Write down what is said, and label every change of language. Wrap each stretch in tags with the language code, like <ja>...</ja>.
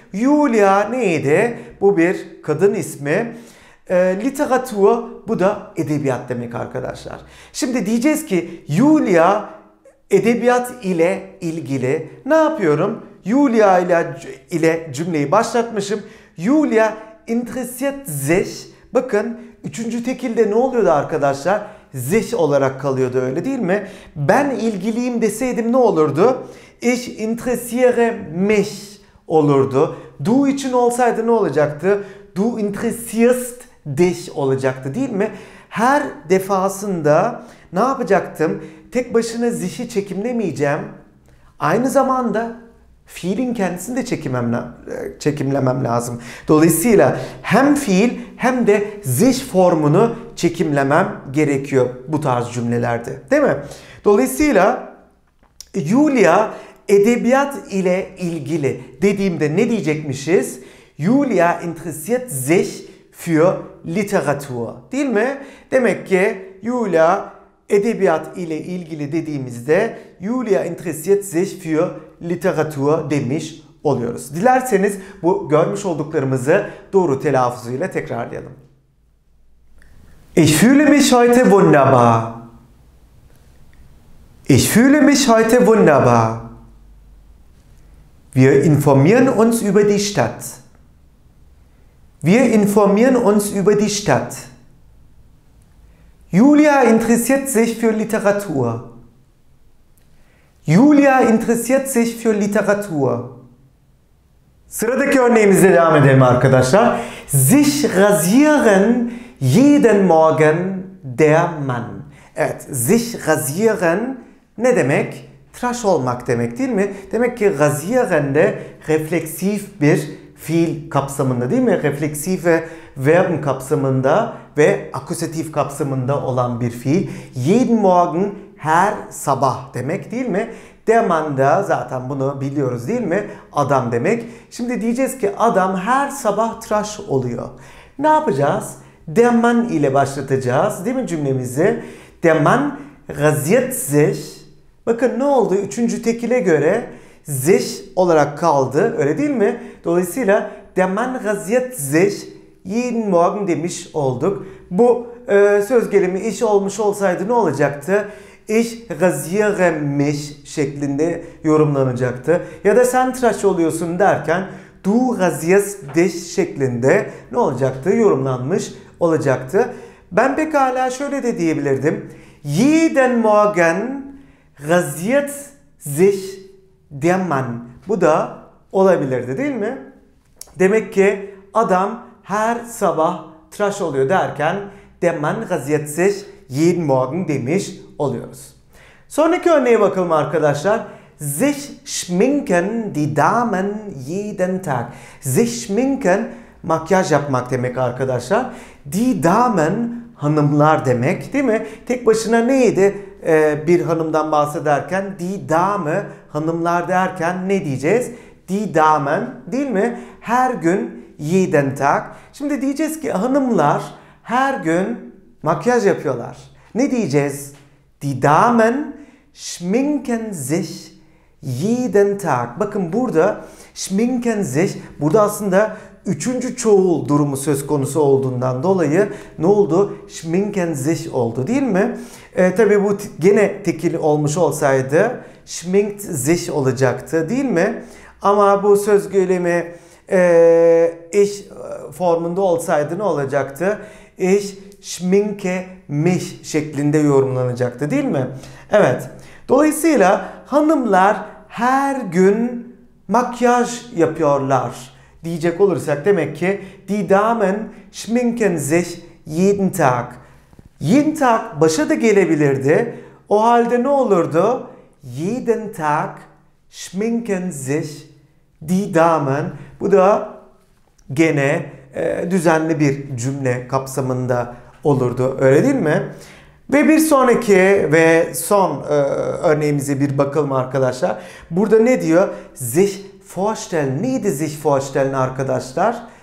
<tr>Julia neydi? Bu bir kadın ismi. Literatur bu da edebiyat demek arkadaşlar. Şimdi diyeceğiz ki Julia edebiyat ile ilgili. Ne yapıyorum? Julia ile cümleyi başlatmışım.</tr> <de>Julia interessiert sich.</de> <tr>Bakın üçüncü tekilde ne oluyordu arkadaşlar? Sich olarak kalıyordu, öyle değil mi? Ben ilgiliyim deseydim ne olurdu?</tr> <de>Ich interessiere mich olurdu.</de> <tr>Du için olsaydı ne olacaktı?</tr> <de>Du interessierst dich</de> <tr>olacaktı, değil mi? Her defasında ne yapacaktım? Tek başına sich'i çekimlemeyeceğim. Aynı zamanda fiilin kendisini de çekimlemem lazım. Dolayısıyla hem fiil hem de sich formunu çekimlemem gerekiyor bu tarz cümlelerde, değil mi? Dolayısıyla Julia edebiyat ile ilgili dediğimde ne diyecekmişiz?</tr> <de>Julia interessiert sich für Literatur, değil mi?</de> <tr>Demek ki Julia edebiyat ile ilgili dediğimizde</tr> <de>Julia interessiert sich für Literatur</de> <tr>demiş oluyoruz. Dilerseniz bu görmüş olduklarımızı doğru telaffuzuyla tekrarlayalım.</tr> <de>Ich fühle mich heute wunderbar. Ich fühle mich heute wunderbar. Wir informieren uns über die Stadt. Wir informieren uns über die Stadt. Julia interessiert sich für Literatur. Julia interessiert sich für Literatur.</de> <tr>Sıradaki örneğimize devam edelim arkadaşlar.</tr> <de>Sich rasieren jeden Morgen der Mann.</de> <tr>Evet, sich rasieren ne demek? Tıraş olmak demek, değil mi? Demek ki rasieren de refleksif bir fiil kapsamında, değil mi? Refleksive Verben kapsamında ve akusatif kapsamında olan bir fiil. Jeden Morgen, her sabah demek, değil mi? Der Mann da zaten bunu biliyoruz, değil mi? Adam demek. Şimdi diyeceğiz ki adam her sabah tıraş oluyor. Ne yapacağız? Der Mann ile başlatacağız, değil mi cümlemizi?</tr> <de>Der Mann rasiert sich.</de> <tr>Bakın ne oldu? Üçüncü tekile göre sich olarak kaldı, öyle değil mi?</tr> <de>Dolayısıyla der Mann rasiert sich jeden Morgen demiş olduk.</de> <tr>Bu söz gelimi iş olmuş olsaydı ne olacaktı?</tr> <de>Ich rasiere mich şeklinde yorumlanacaktı.</de> <tr>Ya da sen tıraş oluyorsun derken</tr> <de>du rasierst dich</de> <tr>şeklinde ne olacaktı? Yorumlanmış olacaktı. Ben pekala şöyle de diyebilirdim.</tr> <de>Jeden Morgen rasiert sich der Mann.</de> <tr>Bu da olabilirdi, değil mi? Demek ki adam her sabah tıraş oluyor derken</tr> <de>der Mann rasiert sich jeden Morgen demiş oluyoruz.</de> <tr>Sonraki örneğe bakalım arkadaşlar.</tr> <de>Sich schminken die Damen jeden Tag.</de> <tr>Sich schminken makyaj yapmak demek arkadaşlar. Die Damen hanımlar demek değil mi? Tek başına neydi bir hanımdan bahsederken?</tr> <de>Die Dame</de> <tr>hanımlar derken ne diyeceğiz? Die Damen değil mi? Her gün jeden Tag. Şimdi diyeceğiz ki hanımlar her gün makyaj yapıyorlar. Ne diyeceğiz?</tr> <de>Die Damen schminken sich jeden Tag.</de> <tr>Bakın burada schminken sich, burada aslında üçüncü çoğul durumu söz konusu olduğundan dolayı ne oldu? Schminken sich oldu değil mi? Tabii bu gene tekil olmuş olsaydı</tr> <de>schminkt sich</de> <tr>olacaktı değil mi? Ama bu söz gelimi ich formunda olsaydı ne olacaktı?</tr> <de>Ich schminke mich</de> <tr>şeklinde yorumlanacaktı değil mi? Evet. Dolayısıyla hanımlar her gün makyaj yapıyorlar diyecek olursak demek ki</tr> <de>die Damen schminken sich jeden Tag. Jeden Tag</de> <tr>başa da gelebilirdi. O halde ne olurdu?</tr> <de>Jeden Tag schminken sich die Damen.</de> <tr>Bu da gene düzenli bir cümle kapsamında olurdu. Öyle değil mi? Ve bir sonraki ve son örneğimize bir bakalım arkadaşlar. Burada ne diyor? Sich vorstellen. Neydi sich vorstellen arkadaşlar?</tr>